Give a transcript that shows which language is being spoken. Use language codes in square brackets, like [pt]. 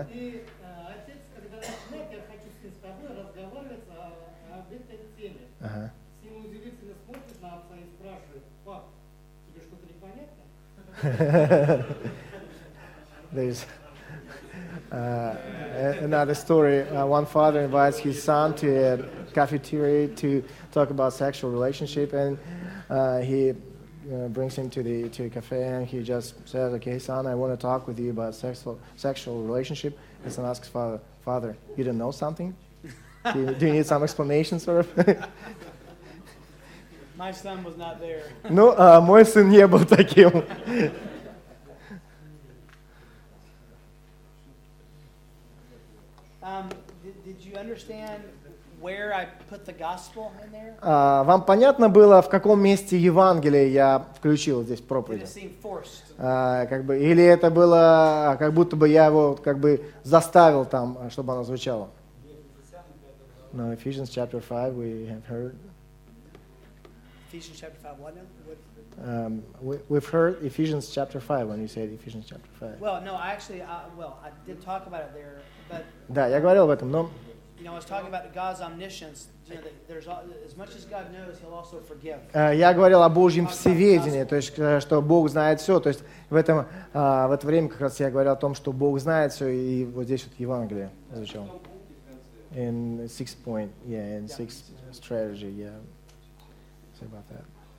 [ru] Отец, когда начинает, я хочу с тобой разговаривать об этой теме. Сын удивительно смотрит на отца и спрашивает: пап, тебе что-то непонятно? [en] Another story. One father invites his son to a cafeteria to talk about sexual relationship, and he brings him to a cafe, and he just says, "Okay, son, I want to talk with you about sexual relationship." His son asks father, "Father, you don't know something? Do you need some explanation, sort of?" My son was not there. [ru] No, мой сын не был таким. [en] Did you understand where I put the gospel in there? [ru] Вам понятно было, в каком месте Евангелие я включил здесь проповедь? [en] Did it seem forced? [ru] Как бы, или это было, как будто бы я его как бы заставил там, чтобы оно звучало? [en] No, Ephesians chapter 5, we have heard. Ephesians chapter 5, what now? We've heard Ephesians chapter 5 when you said Ephesians chapter 5. Well, no, I did talk about it there. [ru] Да, я говорил об этом, но... [en] You know, I was talking about God's omniscience. You know, there's as much as God knows, He'll also forgive. [ru] Я говорил о Божьем всеведении, то есть, что Бог знает все. То есть, в это время как раз я говорил о том, что Бог знает все, и вот здесь вот Евангелие изучал. [en] In six point, yeah, in six strategy, yeah. Say about that.